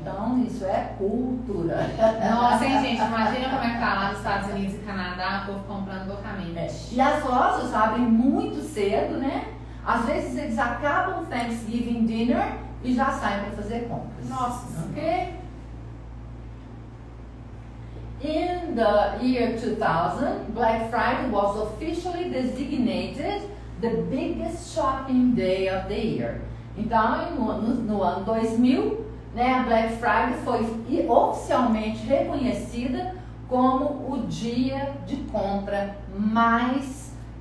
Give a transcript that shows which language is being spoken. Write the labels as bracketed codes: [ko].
[pt] Então, isso é cultura. Nossa, hein, gente? Imagina como é que tá lá nos Estados Unidos e Canadá, o povo comprando loucamente. E as lojas abrem muito cedo, né? Às vezes eles acabam o Thanksgiving dinner e já saem para fazer compras. Nossa. Ok? [en] In the year 2000, Black Friday was officially designated the biggest shopping day of the year. [pt] Então, no ano 2000, né, a Black Friday foi oficialmente reconhecida como o dia de compra mais